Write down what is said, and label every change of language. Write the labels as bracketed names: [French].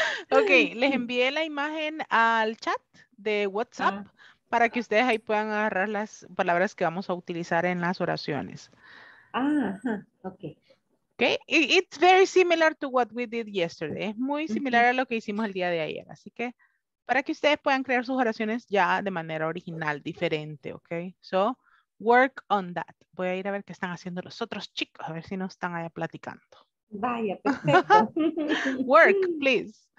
[Spanish] Ok, les envié la imagen al chat de WhatsApp para que ustedes ahí puedan agarrar las palabras que vamos a utilizar en las oraciones ok. [English] Okay, it's very similar to what we did yesterday. [Spanish] Es muy similar a lo que hicimos el día de ayer. Así que para que ustedes puedan crear sus oraciones ya de manera original, diferente, okay? [English] So work on that. [Spanish] Voy a ir a ver qué están haciendo los otros chicos, a ver si no están allá platicando. Vaya, perfecto. [English] Work, please.